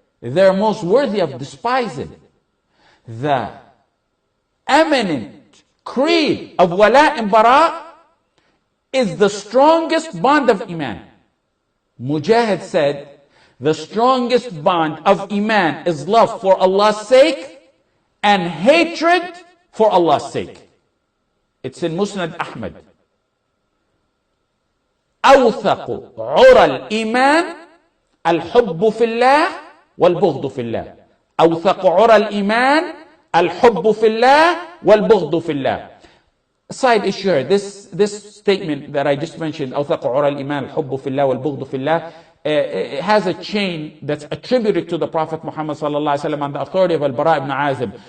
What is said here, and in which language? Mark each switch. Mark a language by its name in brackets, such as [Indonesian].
[English] They're most worthy of despising. The eminent creed of wala and bara is the strongest bond of iman. Mujahid said, the strongest bond of iman is love for Allah's sake and hatred for Allah's sake. It's in Musnad Ahmad. [Arabic] أوثق عرى الإيمان الحب في الله والبغض في الله. أوثق عرى الإيمان الحب في الله والبغض في الله. [English] Side issue, this statement that I just mentioned, أوثق عرى الإيمان الحب في الله والبغض في الله, has a chain that's attributed to the Prophet Muhammad صلى الله عليه وسلم on the authority of Al-Bara ibn Azib.